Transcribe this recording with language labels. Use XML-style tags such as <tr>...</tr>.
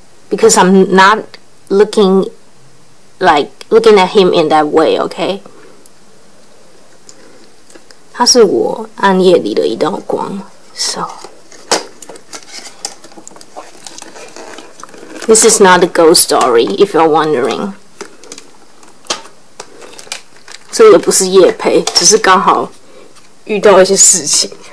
<en>Because I'm not looking at him in that way, okay?</en> <zh>他是我暗夜里的一道光， so.</zh> <en>This is not a ghost story, if you're wondering.</en> <zh>这也不是业配，只是刚好遇到一些事情。</zh>